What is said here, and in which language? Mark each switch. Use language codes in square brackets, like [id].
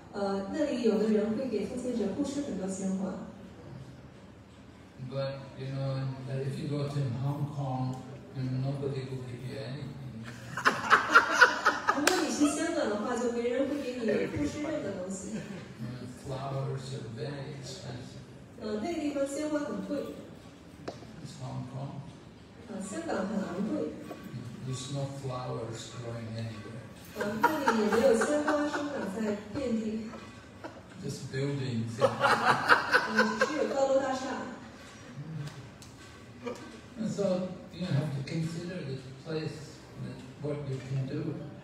[en] But you know, if you go to Hong Kong, you know, nobody will give you anything. [zh] 如果你去香港的话，就没人会给你布施任何东西。 [en] Flowers are very expensive. [zh] 那个地方鲜花很贵。 [en] It's Hong Kong. [zh] 香港很昂贵。 [en] There's no flowers growing anywhere. [zh] 那里也没有鲜花生长在遍地。 [en] Just buildings. And so you have to consider the place and what you can do.